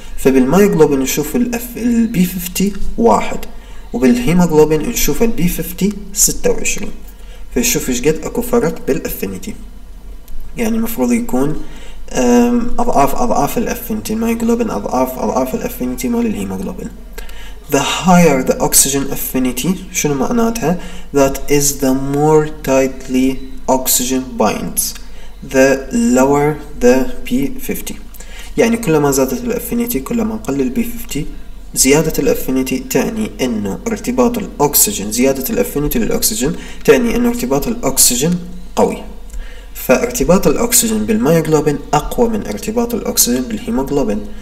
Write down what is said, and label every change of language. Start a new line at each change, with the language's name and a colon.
Arabic: فبالميوغلوبين نشوف البي 50 1, وبالهيموغلوبين نشوف البي 50 26, فشوف ايش قد اكو فرق بالافينيتي. يعني المفروض يكون أضعاف أضعاف الأفينتي الميوغلوبين أضعاف أضعاف الأفينتي مال الهيموغلوبين.
English: The higher the oxygen affinity,
Arabic: شنو معناتها؟
English: That is the more tightly oxygen binds. The lower the P50.
Arabic: يعني كلما زادت الأفينتي كلما قل الـ P50. زيادة الأفينتي تعني أنه ارتباط الأكسجين زيادة الأفينتي للأكسجين تعني أنه ارتباط الأكسجين قوي. فارتباط الأكسجين بالميوغلوبين أقوى من ارتباط الأكسجين بالهيموغلوبين.